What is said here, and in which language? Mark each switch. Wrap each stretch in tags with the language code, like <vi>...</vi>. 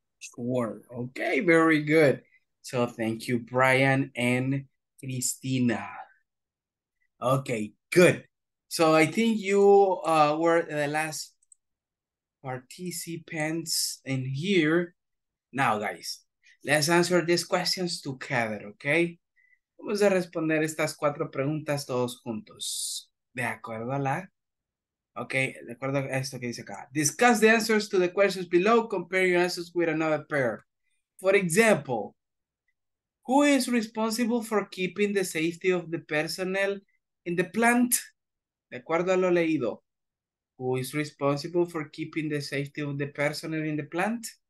<en>Sure. Okay, very good. So thank you, Brian and Cristina. Okay, good. So I think you were the last participants in here. Now, guys, let's answer these questions together, okay?</en> <es>Vamos a responder estas cuatro preguntas todos juntos. De acuerdo a la... Okay, de acuerdo a esto que dice acá.</es> <en>Discuss the answers to the questions below. Compare your answers with another pair. For example, who is responsible for keeping the safety of the personnel in the plant?</en> <es>De acuerdo a lo leído.</es> <en>Who is responsible for keeping the safety of the personnel in the plant?</en>